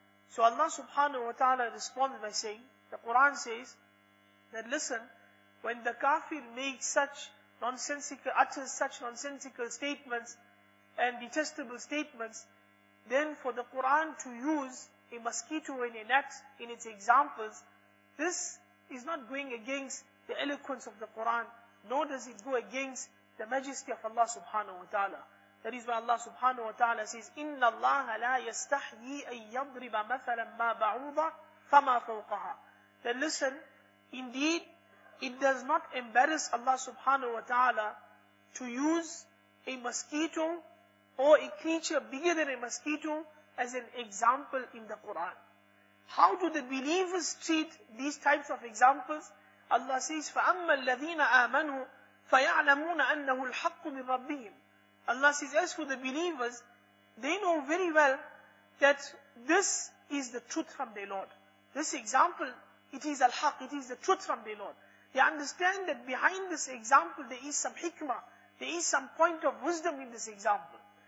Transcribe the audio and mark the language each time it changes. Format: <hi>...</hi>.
<en>So Allah subhanahu wa ta'ala responds by saying, the Quran says that listen, when the kafir makes such nonsensical, utters such nonsensical statements and detestable statements, then for the Quran to use a mosquito and a gnat in its examples, this is not going against the eloquence of the Quran, nor does it go against the majesty of Allah subhanahu wa ta'ala. That is why Allah subhanahu wa ta'ala says,</en> <ar>إِنَّ اللَّهَ لَا يَسْتَحْيِي أَن يَضْرِبَ مَثَلًا مَا بَعُوضًا فَمَا فَوْقَهَا.</ar> <en>Then listen, indeed, it does not embarrass Allah subhanahu wa ta'ala to use a mosquito or a creature bigger than a mosquito as an example in the Quran. How do the believers treat these types of examples?</en> <ar>Allah says, فَأَمَّا الَّذِينَ آمَنُوا فَيَعْلَمُونَ أَنَّهُ الْحَقُّ مِنْ رَبِّهِمْ.</ar> <en>Allah says, as for the believers, they know very well that this is the truth from their Lord. This example, it is al-haq, it is the truth from their Lord. They understand that behind this example, there is some hikmah, there is some point of wisdom in this example.</en>